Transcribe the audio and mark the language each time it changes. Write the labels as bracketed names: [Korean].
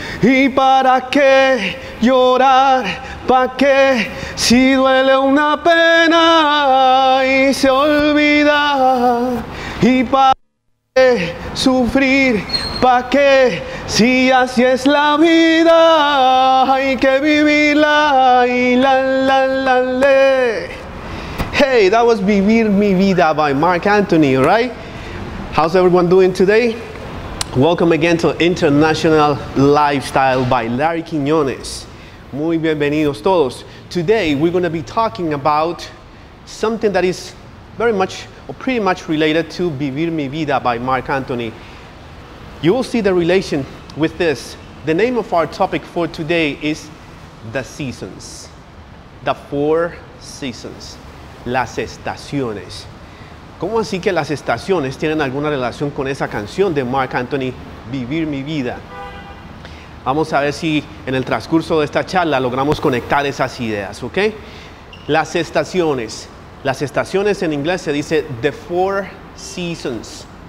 [Spanish] ¿Y para qué llorar? ¿Para qué si duele una pena y se olvida? ¿Y para qué sufrir? ¿Para qué si así es la vida? Hay que vivirla y la la la le. [English] Hey, that was Vivir Mi Vida by Mark Anthony, right? How's everyone doing today? Welcome again to International Lifestyle by Larry Quiñones. [Spanish] Muy bienvenidos todos. [English] Today we're going to be talking about something that is very much or pretty much related to Vivir Mi Vida by Mark Anthony. You will see the relation with this. The name of our topic for today is the seasons. The four seasons. [Spanish] Las estaciones. ¿Cómo así que las estaciones tienen alguna relación con esa canción de Mark Anthony, Vivir Mi Vida? Vamos a ver si en el transcurso de esta charla logramos conectar esas ideas, ¿ok? Las estaciones. Las estaciones en inglés se dice [English] the four seasons.